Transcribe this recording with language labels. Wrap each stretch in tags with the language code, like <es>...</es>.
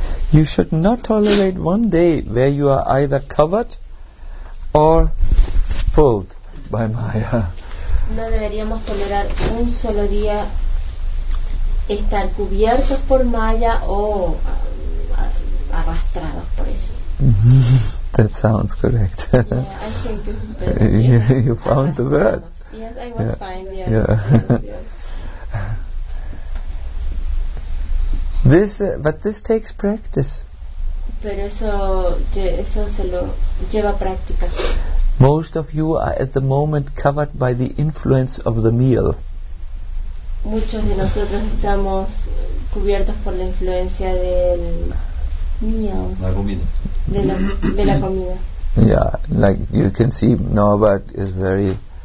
<en>You should not tolerate one day where you are either covered or pulled by Maya.</en> <es>No deberíamos tolerar un solo día estar cubiertos por Maya o arrastrados por ella.</es> <en>That sounds correct. Yeah, I think you found the word. Yes, I was fine. Yeah. This takes practice.</en> <es>Pero eso se lo lleva a práctica.</es> <en>Most of you are at the moment covered by the influence of the meal.</en> <es>Muchos de nosotros estamos cubiertos por la influencia del meal. La comida. De la comida.</es> <en>Yeah, like you can see, Norbert is very.</en>